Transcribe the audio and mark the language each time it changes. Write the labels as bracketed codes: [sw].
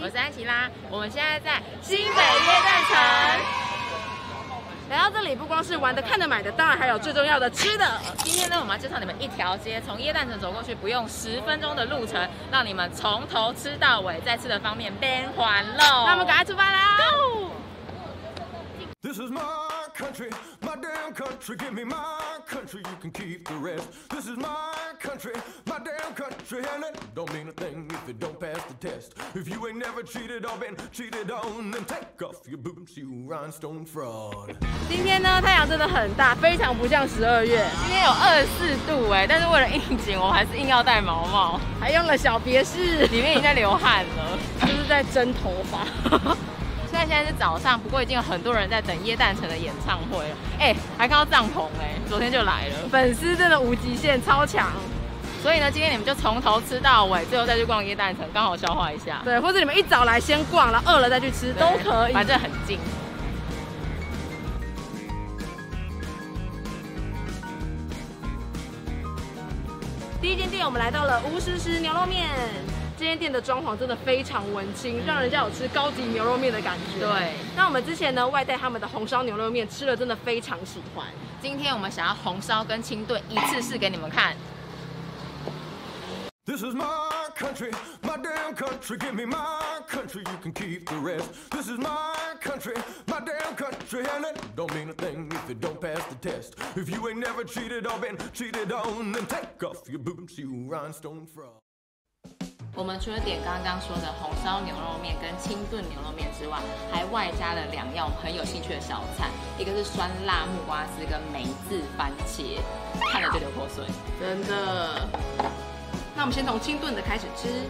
[zh] 我是安琪拉，我们现在在新北约旦城。来到这里不光是玩的、看的、买的，当然还有最重要的吃的。今天呢，我们要介绍你们一条街，从耶诞城走过去不用十分钟的路程，让你们从头吃到尾，再吃的方便边环喽。那我们赶快出发啦 [en] ！Go！ This is my country, my damn country. Give me my country, you can keep the rest. This is my country, my damn country, and it don't mean a thing if it don't pass the test. If you ain't never cheated or been cheated on, then take off your boots, you rhinestone fraud. [zh] 今天呢，太阳真的很大，非常不像十二月。今天有24度哎，但是为了应景，我还是硬要戴毛帽，还用了小别式，里面已经在流汗了，就是在蒸头发。现在是早上，不过已经有很多人在等耶诞城的演唱会了。还看到帐篷昨天就来了，粉丝真的无极限，超强。所以呢，今天你们就从头吃到尾，最后再去逛耶诞城，刚好消化一下。对，或者你们一早来先逛，然后饿了再去吃都可以，反正很近。第一间店，我们来到了吴诗诗牛肉面。这间店的装潢真的非常文青，让人家有吃高级牛肉面的感觉。对，那我们之前呢外带他们的红烧牛肉面吃了，真的非常喜欢。今天我们想要红烧跟清炖一次试给你们看。 [en] This is my country, my damn country. Give me my country, you can keep the rest. This is my country, my damn country, and it don't mean a thing if it don't pass the test. If you ain't never cheated or been cheated on, then take off your boots, you rhinestone frog. [zh] 我们除了点刚刚说的红烧牛肉面跟清炖牛肉面之外，还外加了两样我们很有兴趣的小菜，一个是酸辣木瓜丝跟梅子番茄，看了就流口水，真的。那我们先从清炖的开始吃。